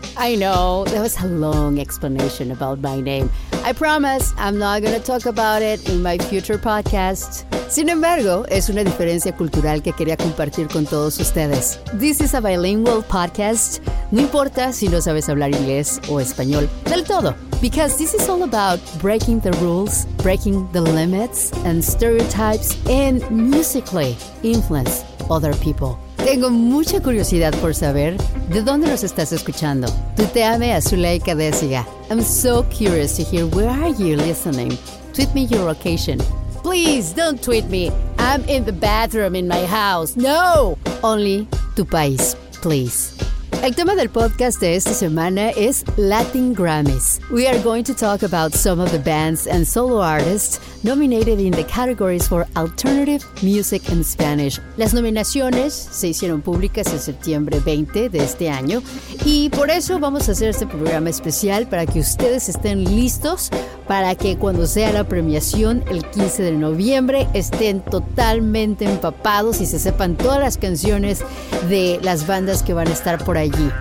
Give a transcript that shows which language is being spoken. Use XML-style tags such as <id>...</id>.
<en>I know, that was a long explanation about my name. I promise I'm not going to talk about it in my future podcast.</en> <es>Sin embargo, es una diferencia cultural que quería compartir con todos ustedes.</es> <en>This is a bilingual podcast.</en> <es>No importa si no sabes hablar inglés o español, del todo.</es> <en>Because this is all about breaking the rules, breaking the limits and stereotypes, and musically influence other people.</en> <es>Tengo mucha curiosidad por saber de dónde nos estás escuchando. Tuiteame a Zuleika de Siga.</es> <en>I'm so curious to hear where are you listening. Tweet me your location. Please don't tweet me. I'm in the bathroom in my house. No! Only</en> <es>tu país,</es> <en>please.</en> <es>El tema del podcast de esta semana es Latin Grammys.</es> <en>We are going to talk about some of the bands and solo artists nominated in the categories for Alternative Music in Spanish.</en> <es>Las nominaciones se hicieron públicas en septiembre 20 de este año y por eso vamos a hacer este programa especial para que ustedes estén listos para que cuando sea la premiación el 15 de noviembre estén totalmente empapados y se sepan todas las canciones de las bandas que van a estar por allí.</es>